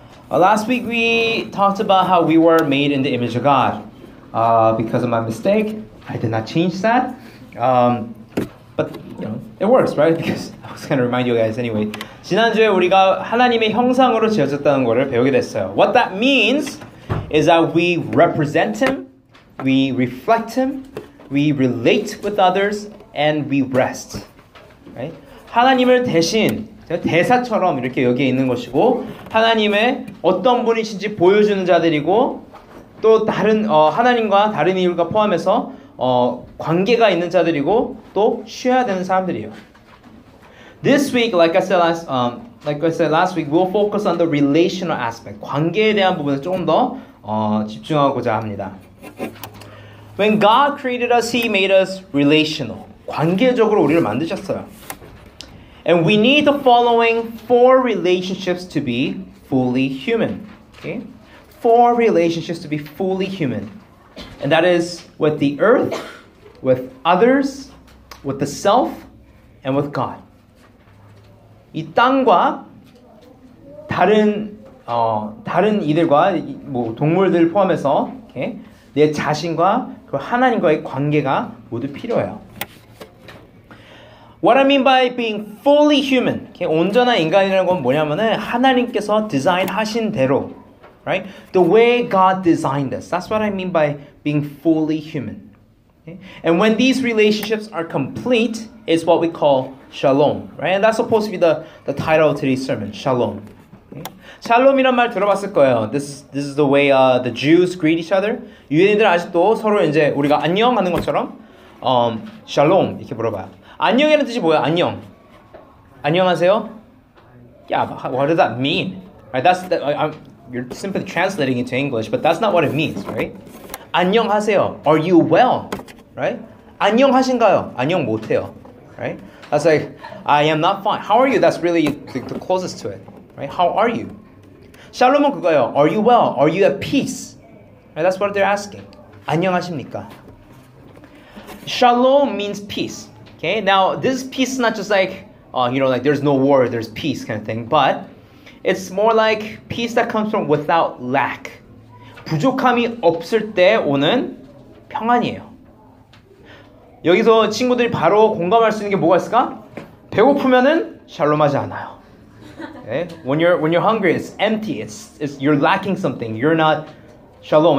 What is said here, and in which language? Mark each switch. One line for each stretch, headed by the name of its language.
English: Last week we talked about how we were made in the image of God. Because of my mistake, I did not change that. But you know, it works, right? Because I was going to remind you guys anyway.
Korean: 지난주에 우리가 하나님의 형상으로 지어졌다는 것을 배우게 됐어요.
English: What that means is that we represent Him, we reflect Him, we relate with others, and we rest. Right?
Korean: 하나님을 대신 대사처럼 이렇게 여기에 있는 것이고 하나님의 어떤 분이신지 보여주는 자들이고 또 다른 하나님과 다른 이유가 포함해서 관계가 있는 자들이고 또 쉬어야 되는 사람들이에요.
English: This week, like I said last week, we'll focus on the relational aspect.
Korean: 관계에 대한 부분을 조금 더 집중하고자 합니다.
English: When God created us, He made us relational.
Korean: 관계적으로 우리를 만드셨어요.
English: And we need the following four relationships to be fully human. Okay? Four relationships to be fully human. And that is with the earth, with others, with the self, and with God.
Korean: 이 땅과 다른 이들과 뭐 동물들 포함해서 okay? 내 자신과 그 하나님과의 관계가 모두 필요해요.
English: What I mean by being fully human,
Korean: okay, 온전한 인간이라는 건 뭐냐면은 하나님께서 디자인하신 대로, right?
English: The way God designed us. That's what I mean by being fully human. Okay? And when these relationships are complete, it's what we call shalom, right? And that's supposed to be the title of today's sermon, shalom.
Korean: Okay? Shalom이란 말 들어봤을 거예요.
English: This is the way the Jews greet each other.
Korean: 유대인들 아직도 서로 이제 우리가 안녕하는 것처럼 shalom 이렇게 물어봐요. 안녕이라는 뜻이 뭐야? 안녕. 안녕하세요?
English: Yeah, what does that mean? Right, that's the, you're simply translating into English, but that's not what it means, right?
Korean: 안녕하세요.
English: Are you well? Right?
Korean: 안녕하신가요? 안녕 못해요.
English: Right? That's like, I am not fine. How are you? That's really the closest to it. Right? How are you?
Korean: 샬롬은 그거예요.
English: Are you well? Are you at peace? Right? That's what they're asking.
Korean: 안녕하십니까?
English: Shalom means peace. Okay, now this peace is not just like, you know, like there's no war, there's peace kind of thing, but it's more like peace that comes from without lack.
Korean: 부족함이 없을 때 오는 평안이에요. 여기서 친구들이 바로 공감할 수 있는 게 뭐가 있을까? 배고프면은 샬롬하지 않아요.
English: Okay? When you're hungry, it's empty, it's you're lacking something, you're not shalom.